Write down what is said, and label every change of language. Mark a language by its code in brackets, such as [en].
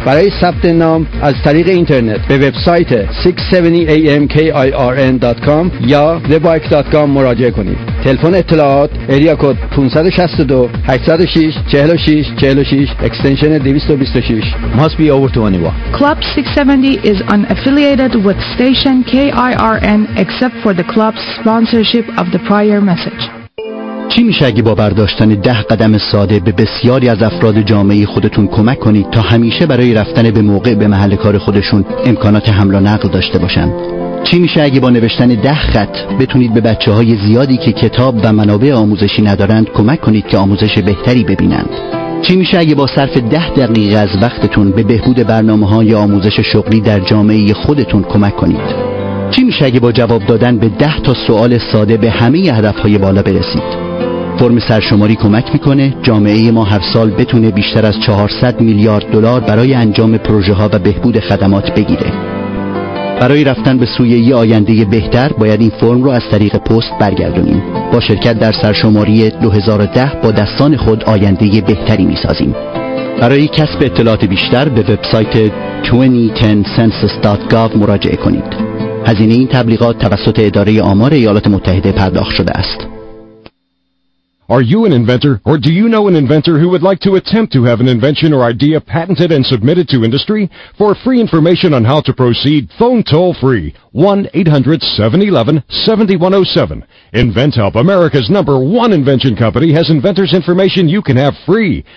[fa] برای ثبت نام از طریق اینترنت به وبسایت 670amkirn.com یا thebike.com مراجعه کنید. تلفن اطلاعات ایریا کد 562-806-4646 اکستنشن 226. [en] Must be over 21. Club 670 is unaffiliated with station KIRN except for the club's sponsorship of the prior message. [fa] چی میشه اگه با برداشتن 10 قدم ساده به بسیاری از افراد جامعه خودتون کمک کنید تا همیشه برای رفتن به موقع به محل کار خودشون امکانات حمل و نقل داشته باشن؟ چی میشه اگه با نوشتن 10 خط بتونید به بچه‌های زیادی که کتاب و منابع آموزشی ندارند کمک کنید که آموزش بهتری ببینند؟ چی میشه اگه با صرف 10 دقیقه از وقتتون به بهبود برنامه‌های آموزش شغلی در جامعه خودتون کمک کنید؟ چی میشه اگه با جواب دادن به 10 تا سوال ساده به همه هدف‌های بالا برسید؟ فرم سرشماری کمک میکنه جامعه ما هر سال بتونه بیشتر از $400 میلیارد برای انجام پروژه‌ها و بهبود خدمات بگیره. برای رفتن به سوی یه آینده بهتر باید این فرم رو از طریق پست برگردونیم. با شرکت در سرشماری 2010 با دستان خود آینده بهتری میسازیم. برای کسب اطلاعات بیشتر به وبسایت 2010census.gov مراجعه کنید. هزینه این تبلیغات توسط اداره آمار ایالات متحده پرداخت شده است. [en] Are you an inventor, or do you know an inventor who would like to attempt to have an invention or idea patented and submitted to industry? For free information on how to proceed, phone toll-free 1-800-711-7107. InventHelp, America's number one invention company, has inventors' information you can have free.